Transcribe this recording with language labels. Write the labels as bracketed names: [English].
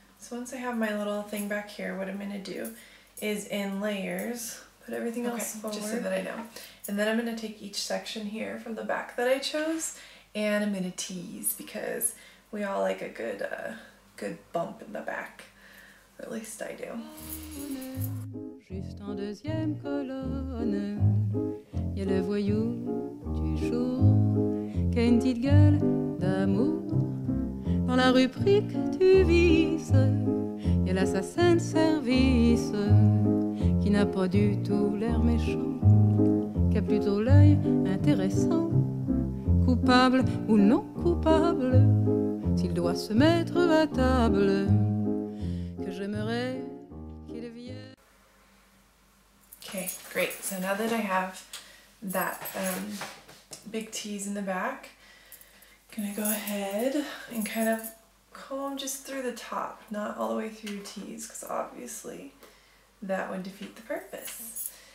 [English] Once I have my little thing back here, what I'm gonna do is in layers, put everything else forward. Just so that I know. And then I'm gonna take each section here from the back that I chose, and I'm gonna tease because we all like a good bump in the back. Or at least I do. [French] Juste en deuxième colonne, y a le voyou du jour, qui a une petite gueule d'amour. Dans la rubrique du vice, y a l'assassin de service qui n'a pas du tout l'air méchant, qui a plutôt l'œil intéressant. Coupable ou non coupable, s'il doit se mettre à table, que j'aimerais qu'il vienne. [English] Okay, great. So now that I have that big tease in the back, gonna go ahead and kind of comb just through the top, not all the way through your T's, because obviously that would defeat the purpose.